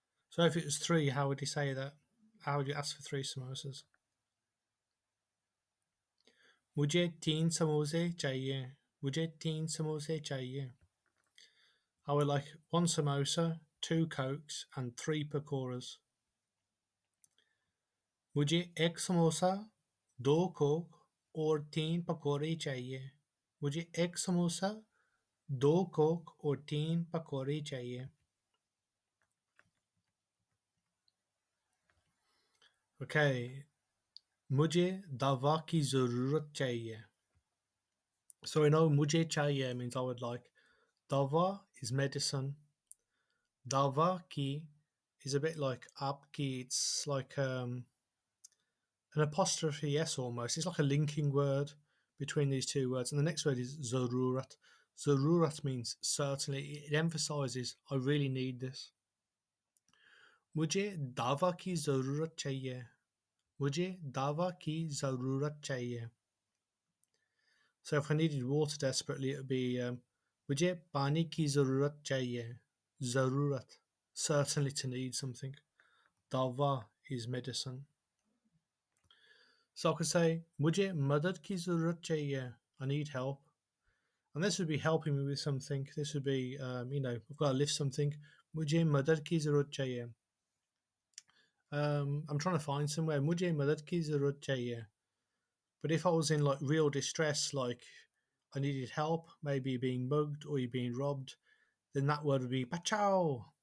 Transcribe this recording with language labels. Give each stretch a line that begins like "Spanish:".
English: So if it was three, how would you say that? How would you ask for three samosas?
Hindi: मुझे तीन समोसे चाहिए. मुझे तीन समोसे चाहिए.
English: I would like one samosa, two cokes, and three pakoras.
Hindi: मुझे एक समोसा, दो कोक और तीन पकौड़े चाहिए. मुझे एक समोसा, दो कोक और तीन पकौड़े चाहिए. Okay, मुझे दवा की जरूरत चाहिए.
English: So I know
Hindi: मुझे चाहिए
English: means I would like. दवा is medicine.
Hindi: दवा की
English: is a bit like
Hindi: आपकी.
English: It's like an apostrophe s almost. It's like a linking word between these two words. And the next word is zarurat. Zarurat means certainly. It emphasizes I really need this.
Hindi: मुझे दवा की जरूरत चाहिए. मुझे दवा की जरूरत चाहिए.
English: So if I needed water desperately, it would be
Hindi: मुझे पानी की जरूरत चाहिए.
English: जरूरत, certainly to need something. दवा is medicine. So I could say
Hindi: मुझे मदद की जरूरत चाहिए.
English: I need help. And this would be helping me with something. This would be I've got to lift something.
Hindi: मुझे मदद की जरूरत चाहिए.
English: I'm trying to find somewhere.
Hindi: मुझे मदद की जरूरत चाहिए.
English: But if I was in like real distress, like I needed help, maybe being mugged or you're being robbed, then that word would be bachao.